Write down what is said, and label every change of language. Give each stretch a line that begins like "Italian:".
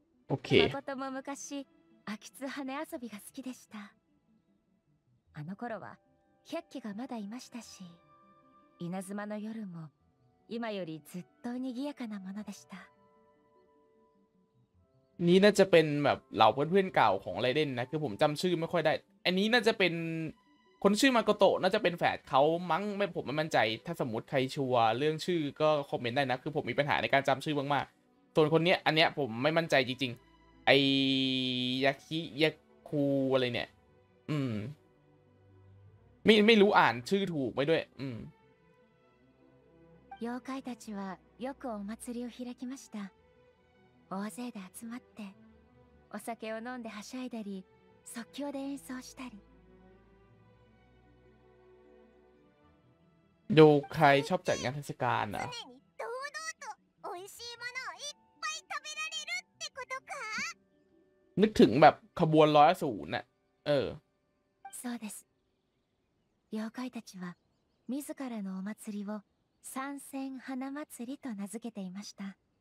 Japanese: オッケー。誠も昔、アキツハネ遊びが好きでした。あの頃は百鬼がまだいましたし、稲妻の夜も。今よりずっとにぎやかなものでした。
Thai: นี่น่าจะเป็นแบบเหล่าเพื่อนเพื่อนเก่าของไรเดนนะคือผมจำชื่อไม่ค่อยได้อันนี้น่าจะเป็นคนชื่อมาโกโตะน่าจะเป็นแฝดเขามั้งไม่ผมไม่มั่นใจถ้าสมมติใครชัวร์เรื่องชื่อก็คอมเมนต์ได้นะคือผมมีปัญหาในการจำชื่อมากๆส่วนคนเนี้ยอันเนี้ยผมไม่มั่นใจจริงๆไอยาคิยาคูอะไรเนี่ยไม่รู้อ่านชื่อถูกไปด้วย
Japanese: 妖怪たちはよくお祭りを開きました。大勢で集まって、お酒を飲んではしゃいだり、即興で演奏したり。
Thai: 妖怪ชอบจัดงานเทศกาลนะ。
Japanese: 常に堂々と美味しいものをいっぱい食べられるってことか。
Thai: นึกถึงแบบขบวนร้อยศูนย์น่ะ。
Japanese: そうです。妖怪たちは自らのお祭りを三千花祭りと名付けていました。